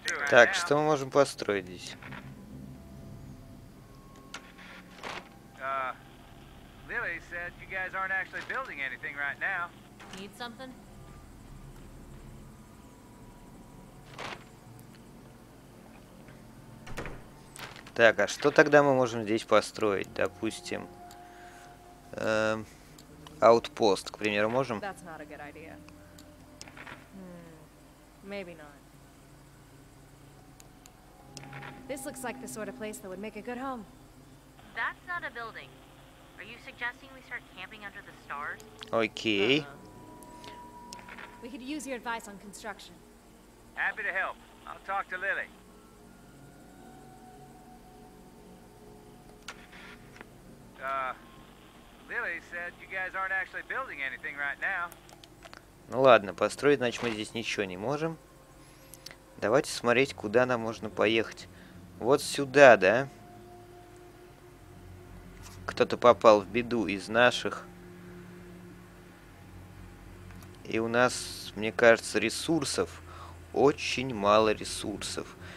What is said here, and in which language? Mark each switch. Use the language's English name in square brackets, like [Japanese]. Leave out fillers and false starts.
[Russian] Так, что мы можем построить здесь? [English] Lily said you guys aren't actually building anything right now. Need something? [Russian] Так, а что тогда мы можем здесь построить? Допустим, аутпост, к примеру, можем? [English] That's not a good idea. Maybe not. This looks like the sort of place that would make a good home. That's not a building. Are you suggesting we start camping under the stars? Okay. We could use your advice on construction. Happy to help. I'll talk to Lily. Lily said you guys aren't actually building anything right now. [Russian] Ну ладно, построить, значит, мы здесь ничего не можем. Давайте смотреть, куда нам можно поехать. Вот сюда, да? Кто-то попал в беду из наших. И у нас, мне кажется, ресурсов. Очень мало ресурсов.